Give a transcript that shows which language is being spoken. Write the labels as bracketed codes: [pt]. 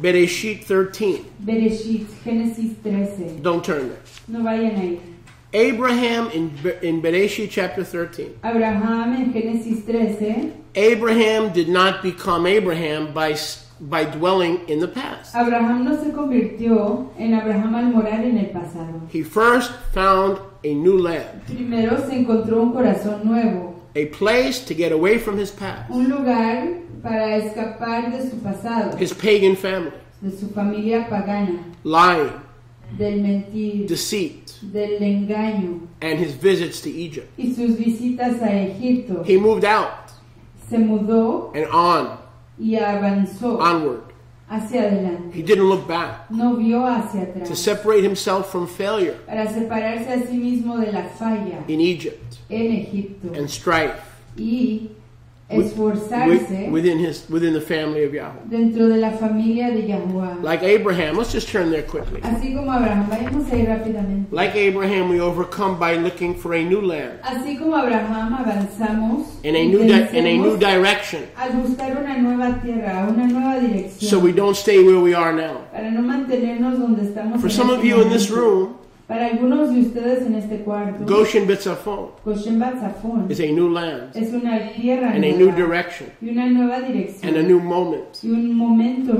[en] Bereshit 13. [es] Bereshit, Génesis 13. [en] Don't turn there. [es] No vayan ahí. [en] Abraham in Bereshit chapter 13. [es] Abraham en Génesis 13. [en] Abraham did not become Abraham by dwelling in the past. [es] Abraham no se convirtió en Abraham al morar en el pasado. [en] He first found a new land. [es] Primero se encontró un corazón nuevo. [en] A place to get away from his past. [es] Un lugar para escapar de su pasado. [en] His pagan family. [es] De su familia pagana. [en] Lying. [es] Del mentir. [en] Deceit. [es] Del engaño. [en] And his visits to Egypt. [es] Y sus visitas a Egipto. [en] He moved out. [es] Se mudó. [en] And on. [es] Y avanzó. [en] Onward. [es] Hacia adelante. [en] He didn't look back. [es] No vio hacia atrás. [en] To separate himself from failure. [es] Para separarse a sí mismo de la falla. [en] In Egypt. [es] En Egipto. [en] And strife. [es] Y esforzarse. Within [en] the family of Yahweh. [es] Dentro de la familia de Yahweh. [en] Like Abraham. Let's just turn there quickly. [es] Así como Abraham. Vayamos ahí rápidamente. [en] Like Abraham, we overcome by looking for a new land. [es] Así como Abraham, avanzamos. [en] In a new direction. [es] Al buscar una nueva tierra, una nueva dirección. [en] So we don't stay where we are now. [es] Para no mantenernos donde estamos. [en] For some of you in this room. [es] Para algunos de ustedes en este cuarto, [en] Goshen Bitzafon is a new land, [es] es una tierra [en] and [es] nueva, [en] a new direction, [es] y una nueva dirección, [en] and a new moment, [es] y un momento